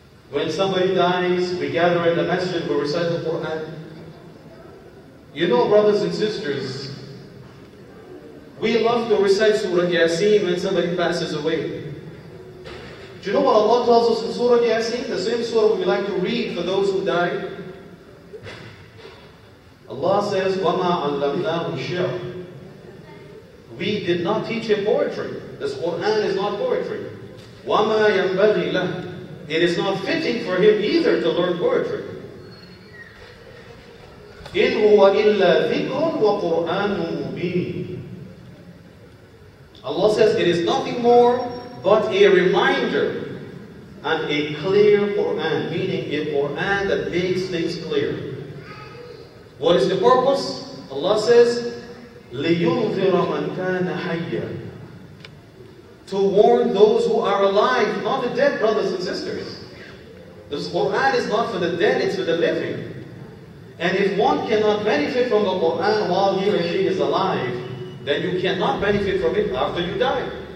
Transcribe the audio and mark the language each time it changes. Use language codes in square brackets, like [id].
[en] When somebody dies, we gather in the masjid, we recite the Qur'an. You know, brothers and sisters, we love to recite Surah Yaseen when somebody passes away. Do you know what Allah tells us in Surah Yaseen? The same surah we like to read for those who die. Allah says, [ar] وَمَا عَلَّمْنَاهُ الشِّعْرَ. [en] We did not teach him poetry. This Qur'an is not poetry. [ar] وَمَا يَنْبَغِي لَهُ. [en] It is not fitting for him either to learn poetry. [ar] إِنْ هُوَ إِلَّا ذِكْرٌ وَقُرْآنٌ مُبِينٌ. [en] Allah says, it is nothing more but a reminder and a clear Qur'an, meaning a Qur'an that makes things clear. What is the purpose? Allah says, [ar] لِيُنْذِرَ مَنْ كَانَ حَيَّا. [en] To warn those who are alive, not the dead, brothers and sisters. This Qur'an is not for the dead, it's for the living. And if one cannot benefit from the Qur'an while he or she is alive, then you cannot benefit from it after you die.